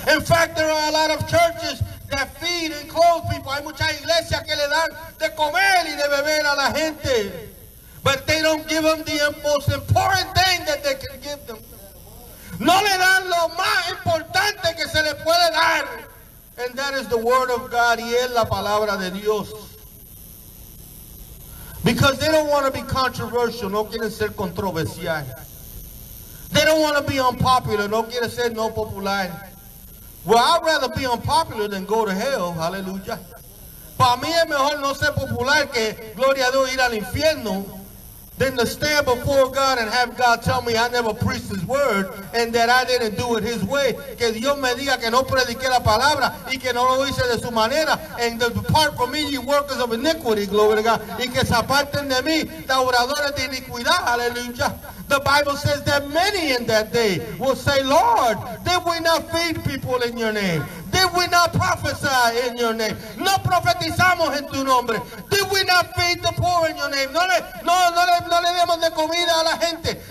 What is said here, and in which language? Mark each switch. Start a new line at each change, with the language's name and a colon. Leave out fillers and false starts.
English: In fact, there are a lot of churches that feed and clothe people.
Spanish: Hay muchas iglesias que le dan de comer y de beber a la gente.
English: But they don't give them the most important thing that they can give them.
Spanish: No le dan lo más importante que se le puede dar.
English: And that is the word of God.
Spanish: Y es la palabra de Dios.
English: Because they don't want to be controversial.
Spanish: No quieren ser controversial.
English: They don't want to be unpopular.
Spanish: No quieren ser no popular.
English: Well, I'd rather be unpopular than go to hell. Hallelujah.
Spanish: Para mí es mejor no ser popular que, gloria a Dios, ir al infierno.
English: Than to stand before God and have God tell me I never preached his word and that I didn't do it his way.
Spanish: Que Dios me diga que no prediqué la palabra y que no lo hice de su manera.
English: And depart from me, ye workers of iniquity, glory to God.
Spanish: Y que se aparten de mí, oradores de iniquidad, hallelujah.
English: The Bible says that many in that day will say, Lord, did we not feed people in your name? Did we not prophesy in your name?
Spanish: No profetizamos en tu nombre.
English: Did we not feed the poor in your name?
Spanish: No le demos de comida a la gente.